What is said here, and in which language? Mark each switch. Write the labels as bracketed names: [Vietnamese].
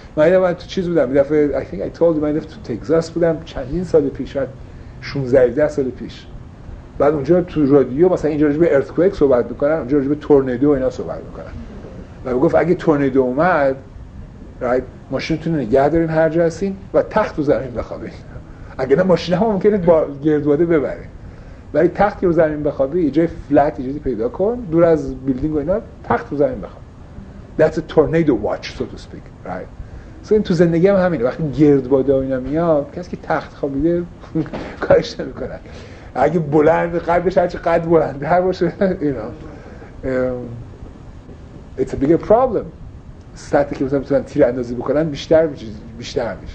[Persian] من تو چیز بودم، دفعه [English] I told you [Persian] من تو تگزاس بودم چندین سال پیش، شاید 16 سال پیش، بعد اونجا تو رادیو مثلا اینجا راجع به ارتکویک صحبت میکنن، اونجا راجع به تورنیدو اینا صحبت میکنن، و میگفت اگه تورنیدو اومد رایت ماشینتون رو نگه دارین هر جا هستین و تخت رو زمین بخوابین، اگه نه ماشین هم ممکنه با گردواده ببره، ولی تخت رو زمین بخوابی، یه جای فلت، یه جایی پیدا کن دور از بیلدینگ و اینا، تخت رو زمین بخواب. [English] That's a tornado watch, so to speak, right. [Persian] So این تو زندگی هم همینه، وقتی گردباده و اینا میاد، کسی که تخت خوابیده کارش نمی کنن، اگه بلند قدش هرچی قد بلنده هر باشه، [English] you know it's a bigger problem. [Persian] سطح که مثلا بتونن تیر اندازی بکنن بیشتر میشه.